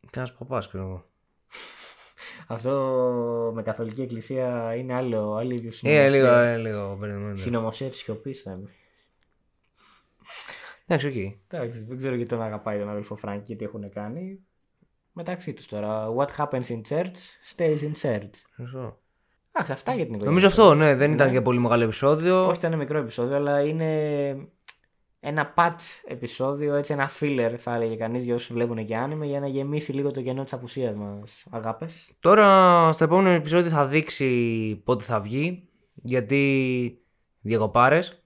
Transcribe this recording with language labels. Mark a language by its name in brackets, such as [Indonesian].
[Greek] Κάνας παπάς, ξέρω εγώ. Αυτό με καθολική εκκλησία είναι άλλη ίδιο συνωμοσία. Λίγο. Συνωμοσία της σιωπής, είμαι. Εντάξει, οκ. Εντάξει, δεν ξέρω γιατί τον αγαπάει τον αδελφό Frankie και τι έχουν κάνει. Μεταξύ τους τώρα. [English] What happens in church stays in church. [Greek] Εντάξει, αυτά για την εικόνα. Νομίζω αυτό, ναι, δεν ήταν και πολύ μεγάλο επεισόδιο. Όχι, ήταν μικρό επεισόδιο, αλλά είναι ένα patch επεισόδιο, έτσι ένα filler θα έλεγε κανείς για όσους βλέπουν και άνοιγμα, για να γεμίσει λίγο το κενό της απουσίας μας. Αγάπες. Τώρα, στο επόμενο επεισόδιο θα δείξει πότε θα βγει, γιατί διακοπάρες.